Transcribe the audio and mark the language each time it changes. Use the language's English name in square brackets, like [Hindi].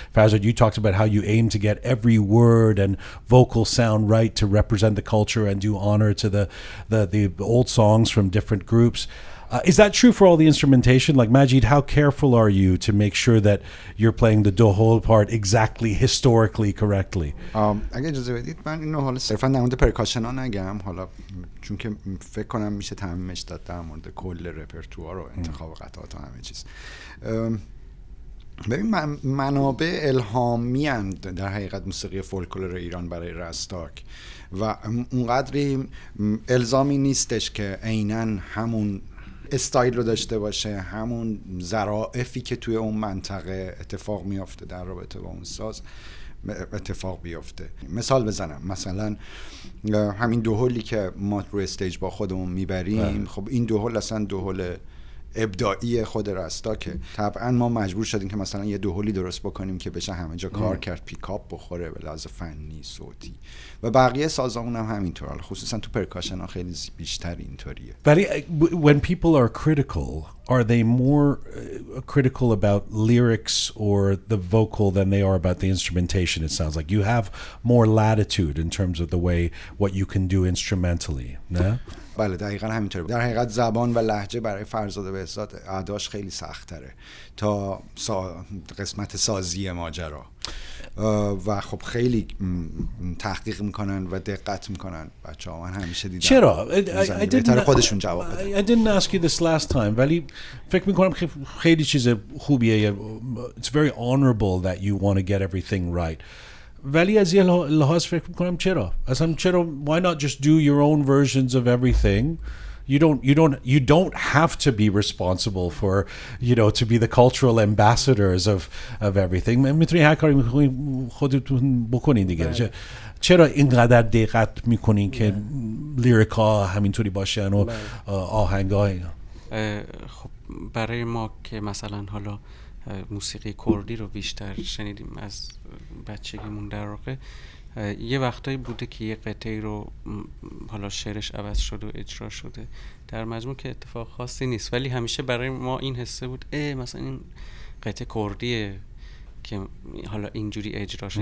[English] Fazard, you talked about how you aim to get every word and vocal sound right to represent the culture and do honor to the old songs from different groups. Is that true for all the instrumentation? Like, Majid, how careful are you to make sure that you're playing the dohol part exactly, historically, correctly? [Persian] اگه اجازه بدید من اینو حالا صرفا در مورد پرکاشن ها نگم، حالا چون که فکر کنم میشه تعمیمش داد در مورد کل رپرتوار و انتخاب قطعات و همه چیز. ببین، منابع الهامی هم در حقیقت موسیقی فولکلور ایران برای رستاک، و اونقدری الزامی نیستش که عیناً همون استایل رو داشته باشه، همون ظرافتی که توی اون منطقه اتفاق میافته در رابطه با اون ساز اتفاق بیافته. مثال بزنم، مثلا همین دوهلی که ما روی استیج با خودمون میبریم، خب این دوهل اصلا دوهل ابداعی خود رستاکه. طبعا ما مجبور شدیم که مثلا یه دوهلی درست بکنیم که بشه همه جا کار کرد، پیکاپ بخوره به لحاظ فنی صوتی، و بقیه سازامون هم همینطور، خصوصا تو پرکاشن ها خیلی بیشتر اینطوریه. ولی [English] when people are critical, are they more critical about lyrics or the vocal than they are about the instrumentation? It sounds like you have more latitude in terms of the way what you can do instrumentally. [Persian] بله، دقیقا همینطور. در حقیقت زبان و لحجه برای فرزاد بهزاد عداش خیلی سخت‌تره تا قسمت سازی ماجرا، و خب خیلی تحقیق میکنن و دقت میکنن بچه ها. من همیشه دیدم چرا بهتر خودشون جواب بده. [English] I didn't ask you this last time, [Persian] ولی فکر میکنم خیلی چیز خوبیه. [English] It's very honorable that you want to get everything right. [Persian] ولی از یه لحاظ فکر میکنم چرا؟ اصلا چرا؟ [English] Why not just do your own versions of everything? You don't have to be responsible for, you know, to be the cultural ambassadors of everything. [Persian] میتونی هر کاری میخوایی خودتون بکنین دیگه. چرا اینقدر دقت میکنین که لیریکا همینطوری باشن و آهنگ های خب برای ما که مثلا حالا موسیقی کردی رو بیشتر شنیدیم از بچگیمون در واقع، یه وقتایی بوده که یه قطعه رو حالا شعرش عوض شد و اجرا شده، در مجموع که اتفاق خاصی نیست، ولی همیشه برای ما این حسه بود اه مثلا این قطعه کردیه که حالا اینجوری اجرا شد.